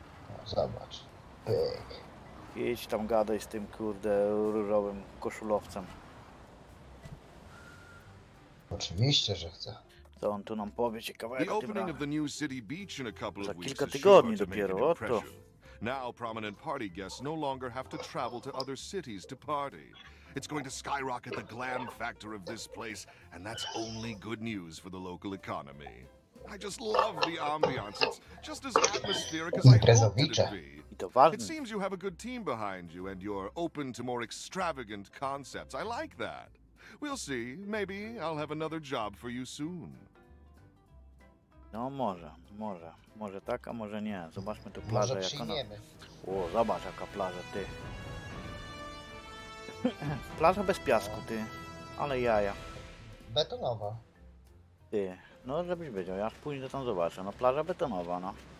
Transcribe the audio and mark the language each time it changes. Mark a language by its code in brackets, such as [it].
[pl] No, zobacz. Pyk. Idź tam gadaj z tym, kurde, różowym koszulowcem. Oczywiście, że chcę. To on tu nam powie ciekawe, jak tym razem. Za kilka tygodni dopiero, oto. [en] Now prominent party guests no longer have to travel to other cities to party. It's going to skyrocket the glam factor of this place, and that's only good news for the local economy. I just love the ambiance. It's just as atmospheric as I hoped it would be. It seems you have a good team behind you, and you're open to more extravagant concepts. I like that. We'll see. Maybe I'll have another job for you soon. [pl] No może tak, a może nie. Zobaczmy tu plażę, jak ona... O, zobacz, jaka plaża, ty. Plaża bez piasku, ty. Ale jaja. Betonowa. Ty, no żebyś wiedział, ja pójdę tam zobaczę. No, plaża betonowa, no.